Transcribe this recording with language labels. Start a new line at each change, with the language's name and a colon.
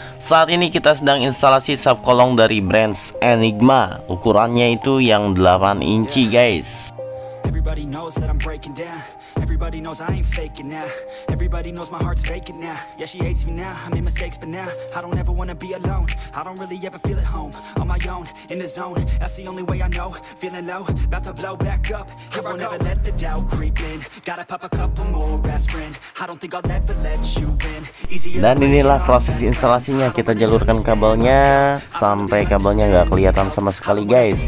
Indonesian: Saat ini kita sedang instalasi subkolong dari brand Enigma. Ukurannya itu yang 8 inci guys.
English: Everybody knows that I'm breaking down. Everybody knows I ain't faking now. Everybody knows my heart's faking now. Yeah, she hates me now. I made mistakes, but now I don't ever wanna be alone. I don't really ever feel at home. On my own, in the zone. That's the only way I know. Feeling low, about to blow back up. Here I won't ever let the doubt creep in. Gotta pop a couple more aspirin. I don't think I'll ever let you win.
Indonesian: Dan inilah proses instalasinya. Kita jalurkan kabelnya sampai kabelnya gak kelihatan sama sekali guys.